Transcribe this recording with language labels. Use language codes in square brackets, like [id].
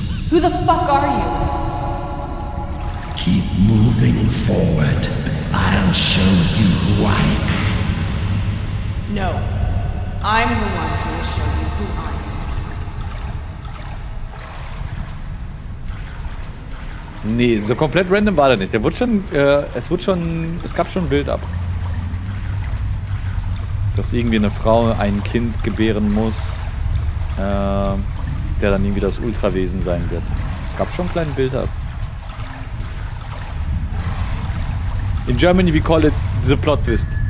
[en] Who the fuck are you? Keep moving forward. I'll show you who I am. No. I'm the one who will show you who I am. [de] Nee, so komplett random war der nicht. Der wurde schon, es gab schon ein Bild ab. Dass irgendwie eine Frau ein Kind gebären muss, der dann irgendwie das Ultrawesen sein wird. Es gab schon ein kleines Bild ab. [en] In Germany, we call it the plot twist.